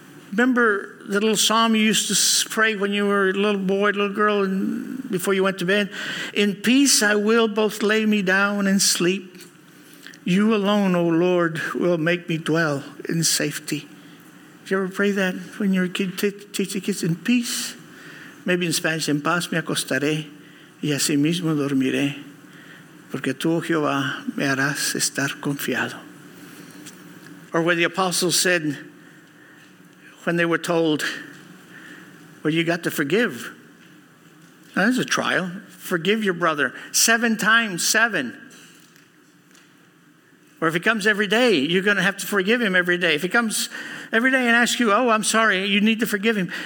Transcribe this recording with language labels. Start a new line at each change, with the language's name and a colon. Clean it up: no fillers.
English: Remember the little psalm you used to pray when you were a little boy, little girl, and before you went to bed? In peace I will both lay me down and sleep. You alone, O Lord, will make me dwell in safety. Did you ever pray that when you're a kid, teach the kids in peace? Maybe in Spanish,
Spanish: en paz me acostaré y así mismo dormiré, porque tú, Jehová, me harás estar confiado.
English: Or where the apostles said, when they were told, well, you got to forgive. Now, that's a trial. Forgive your brother 7 times 7. Or if he comes every day, you're going to have to forgive him every day. If he comes every day and asks you, oh, I'm sorry, you need to forgive him.